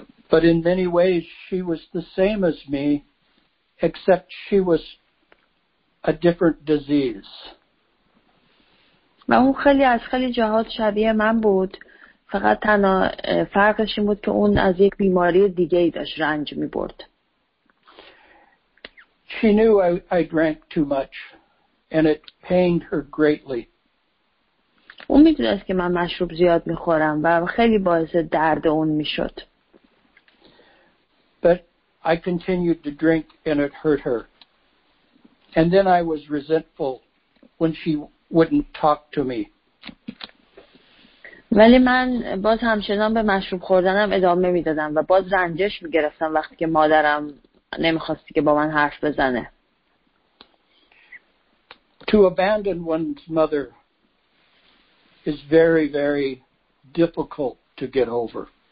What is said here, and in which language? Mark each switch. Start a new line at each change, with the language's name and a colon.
English: But in many ways she was the same as me, except she was a different disease.
Persian: و اون خیلی از خیلی جهات شبیه من بود، فقط تنها فرقش این بود که اون از یک بیماری دیگه‌ای داشت رنج می‌برد.
English: She knew I drank too much and it pained her greatly.
Persian: اون می‌دونست که من مشروب زیاد می‌خورم و خیلی باعث درد اون می‌شد.
English: But I continued to drink and it hurt her. And then I was resentful when she wouldn't talk to me.
Persian: ولی من باز همچنان به مشروب خوردنم ادامه میدادم و باز رنجش میگرفتم وقتی که مادرم نمیخواستی که با من حرف بزنه.
English: To abandon one's mother is very, very difficult to get over.